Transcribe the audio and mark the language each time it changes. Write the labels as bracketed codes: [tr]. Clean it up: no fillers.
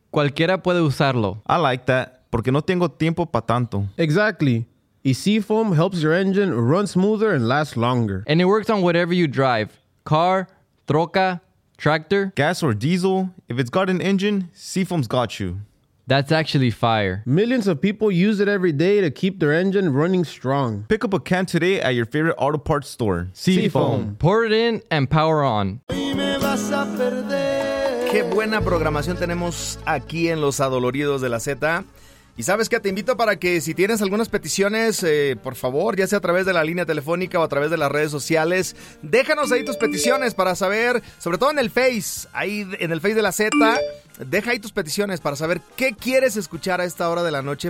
[es] Cualquiera puede usarlo. [en] I like that. [es] Porque no tengo tiempo pa tanto. [en] Exactly. Y Seafoam helps your engine run smoother and last longer. And it works on whatever you drive. Car, troca, tractor. Gas or diesel. If it's got an engine, Seafoam's got you. That's actually fire. Millions of people use it every day to keep their engine running strong. Pick up a can today at your favorite auto parts store. Seafoam. Pour it in and power on. [es] Qué buena programación tenemos aquí en Los Adoloridos de la Z. Y sabes que te invito para que si tienes algunas peticiones, por favor, ya sea a través de la línea telefónica o a través de las redes sociales, déjanos ahí tus peticiones para saber, sobre todo en el Face, ahí en el Face de la Z, deja ahí tus peticiones para saber qué quieres escuchar a esta hora de la noche.